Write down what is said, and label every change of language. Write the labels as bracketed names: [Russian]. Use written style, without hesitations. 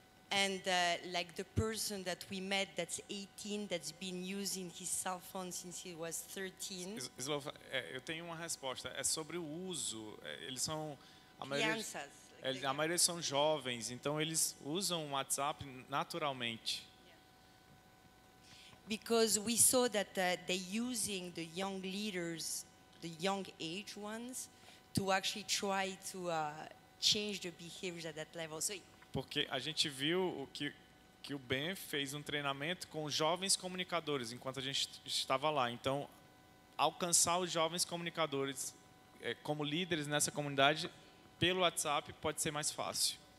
[English] And like the person that we met that's 18, that's been using his cell phone since he was 13. [Portuguese] Eu tenho uma resposta. É sobre o uso. Eles são... A maioria são jovens, então eles usam o WhatsApp naturalmente. [English] Because we saw that they're using the young leaders, the young age ones, to actually try to change the behaviors at that level. So, [Portuguese] porque a gente viu o que que o Ben fez um treinamento com jovens comunicadores enquanto a gente estava lá. Então, alcançar os jovens comunicadores como líderes nessa comunidade pelo WhatsApp pode ser mais fácil.